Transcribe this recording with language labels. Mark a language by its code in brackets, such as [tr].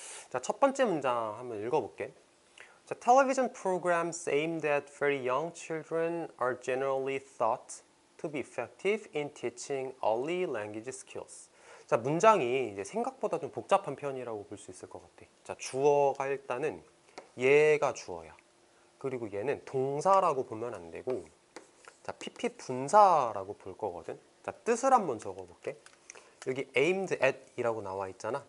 [ko] 자, 첫 번째 문장 한번 읽어볼게. 자, [en] television programs aimed at very young children are generally thought to be effective in teaching early language skills. [ko] 자, 문장이 이제 생각보다 좀 복잡한 편이라고 볼수 있을 것 같아. 자, 주어가 일단은 얘가 주어야. 그리고 얘는 동사라고 보면 안 되고, 자, PP 분사라고 볼 거거든. 자, 뜻을 한번 적어볼게. 여기 aimed at이라고 나와 있잖아.